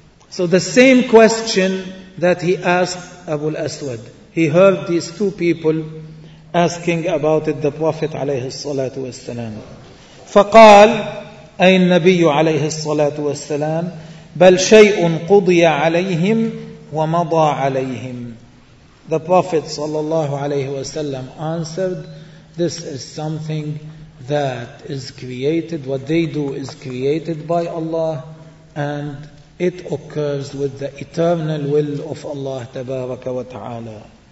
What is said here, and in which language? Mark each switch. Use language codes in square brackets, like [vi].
[en] So the same question that he asked Abu al-Aswad, he heard these two people asking about it, the Prophet عليه الصلاة والسلام. [ar] فقال أي النبي عليه الصلاة والسلام بل شيء قضي عليهم ومضى عليهم. [en] The Prophet sallallahu alayhi wa sallam answered, this is something that is created, what they do is created by Allah, and it occurs with the eternal will of Allah tabaraka wa ta'ala.